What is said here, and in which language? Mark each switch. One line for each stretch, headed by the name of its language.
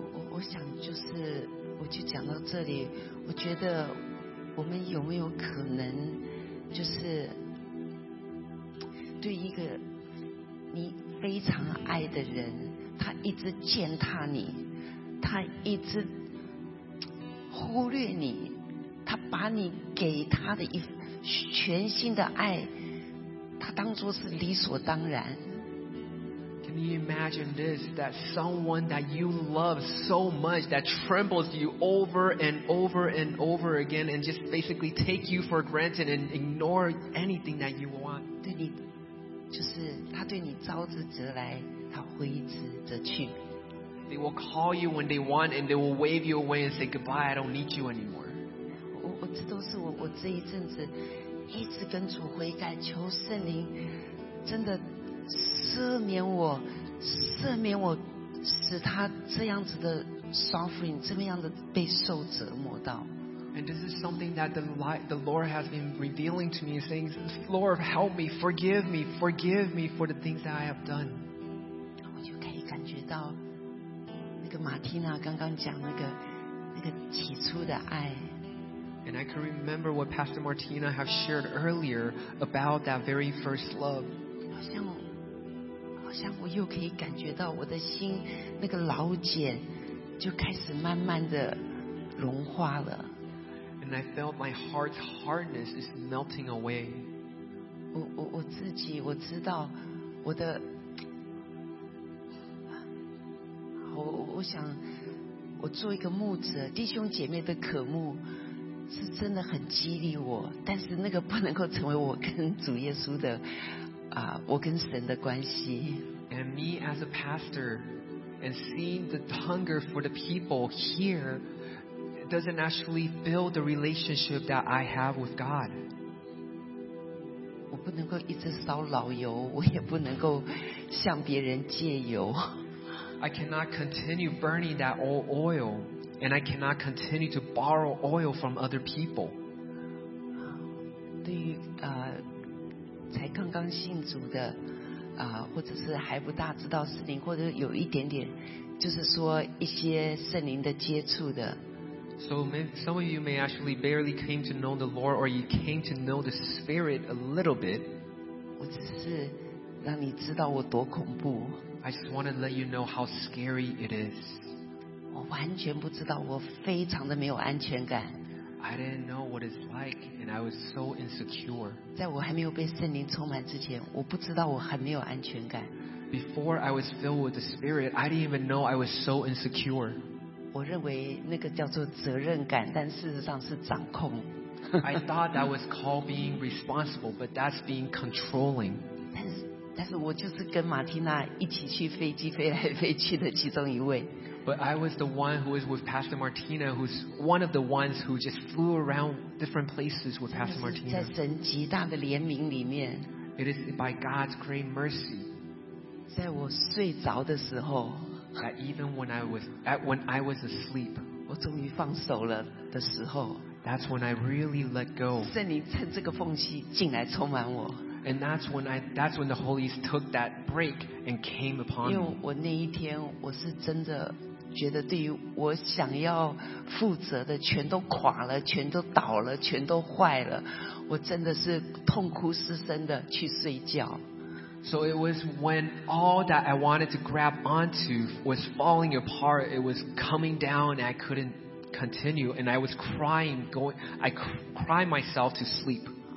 Chinese: 我想就是我就讲到这里，我觉得我们有没有可能就是对一个你非常爱的人，他一直践踏你，他一直忽略你，他把你给他的一全心的爱，他当作是理所当然。
English: Can you imagine this? That someone that you love so much that trembles you over and over and over again and just basically take you for granted and ignore anything that you want.
Chinese: 对你，就是他对你招之则来，他挥之则去。
English: They will call you when they want and they will wave you away and say goodbye. I don't need you anymore.
Chinese: 我这都是我这一阵子一直跟主悔改，求圣灵真的赦免我，赦免我，使他这样子的 suffering， 这样的被受折磨到。
English: And this is something that the Lord has been revealing to me, saying, Lord, help me, forgive me, forgive me for the things that I have done.
Chinese: 我就可以感觉到那个马蒂娜刚刚讲那个起初的爱。
English: And I can remember what Pastor Martina have shared earlier about that very first love.
Chinese: 好像我又可以感觉到我的心那个老茧就开始慢慢的融化了。
English: And I felt my heart's hardness is melting away.
Chinese: 我自己我知道我的，我想我做一个牧者，弟兄姐妹的渴慕是真的很激励我，但是那个不能够成为我跟主耶稣的我跟神的关系。
English: And me as a pastor and seeing the hunger for the people here doesn't actually build the relationship that I have with God.
Chinese: 我不能够一直烧老油，我也不能够向别人借油。
English: I cannot continue burning that old oil. And I cannot continue to borrow oil from other people.
Chinese: 对于才刚刚信主的或者是还不大知道圣灵，或者有一点点就是说一些圣灵的接触的。
English: So some of you may actually barely came to know the Lord or you came to know the Spirit a little bit.
Chinese: 我只是让你知道我多恐怖。
English: I just want to let you know how scary it is.
Chinese: 我完全不知道，我非常的没有安全感。
English: I didn't know what it's like, and I was so insecure.
Chinese: 在我还没有被圣灵充满之前，我不知道我很没有安全感。
English: Before I was filled with the Spirit, I didn't even know I was so insecure.
Chinese: 我认为那个叫做责任感，但事实上是掌控。
English: I thought that was called being responsible, but that's being controlling.
Chinese: 但是我就是跟马蒂娜一起去飞机飞来飞去的其中一位。
English: But I was the one who was with Pastor Martina, who's one of the ones who just flew around different places with Pastor Martina.
Chinese: 在神极大的怜悯里面。
English: It is by God's great mercy.
Chinese: 在我睡着的时候。
English: That even when I was asleep.
Chinese: 我终于放手了的时候。
English: That's when I really let go.
Chinese: 圣灵趁这个缝隙进来充满我。
English: And that's when the Holy Spirit took that break and came upon me.
Chinese: 因为我那一天我是真的觉得对于我想要负责的全都垮了，全都倒了，全都坏了，我真的是痛哭失声的去睡觉。
English: So it was when all that I wanted to grab onto was falling apart, it was coming down, and I couldn't continue, and I was crying, I cried myself to sleep.